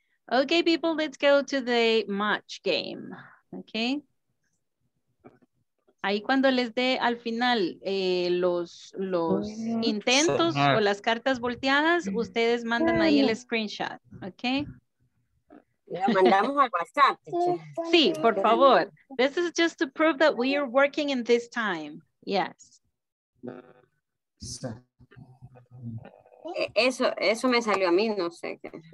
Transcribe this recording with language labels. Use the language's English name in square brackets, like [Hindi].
[English] Okay, people, let's go to the match game. Okay. [Spanish] Ahí cuando les dé al final los intentos o las cartas volteadas, ustedes mandan ahí el screenshot, ¿ok? Lo mandamos al WhatsApp. Sí, por favor. [English] This is just to prove that we are working in this time. Yes. [Spanish] Eso me salió a mí, no sé qué.